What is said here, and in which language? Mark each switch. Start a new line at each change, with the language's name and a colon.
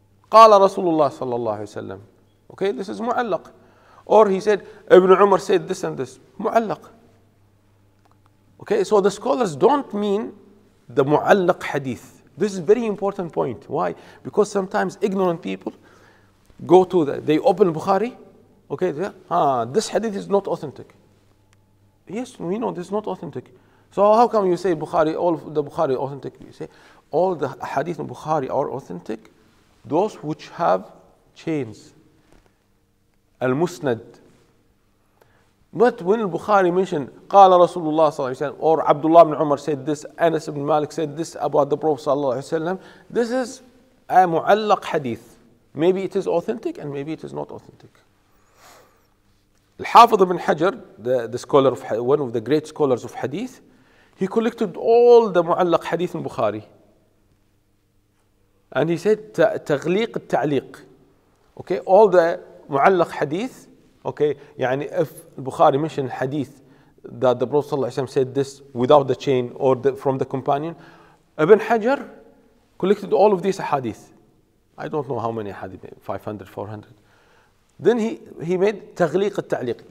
Arabic: قال رسول الله صلى الله عليه وسلم.
English: Okay, this is mu'allaq. Or he said, Ibn Umar said this and this. Mu'allaq. Okay, so the scholars don't mean the mu'allaq hadith. This is a very important point. Why? Because sometimes ignorant people go to that. They open Bukhari. Okay, this hadith is not authentic. Yes, we know this is not authentic. So how come you say Bukhari, all the Bukhari authentic? You say all the hadith in Bukhari are authentic. Those which have chains, al-musnad. But when Bukhari mentioned,
Arabic: قال رسول الله صلى الله عليه وسلم,
English: or Abdullah ibn Umar said this, Anas ibn Malik said this about the Prophet
Arabic: صلى الله عليه وسلم,
English: this is a mu'allaq hadith. Maybe it is authentic and maybe it is not authentic. Al-Hafiz ibn Hajar, the scholar of one of the great scholars of hadith, he collected all the mu'allaq hadith in Bukhari. And he said,
Arabic: تغليق التعليق.
English: Okay, all the mu'allaq hadith, okay, يعني if Bukhari mentioned hadith that the Prophet ﷺ said this without the chain or from the companion, Ibn Hajar collected all of these hadith. I don't know how many hadith, 500, 400. Then he made
Arabic: تغليق التعليق.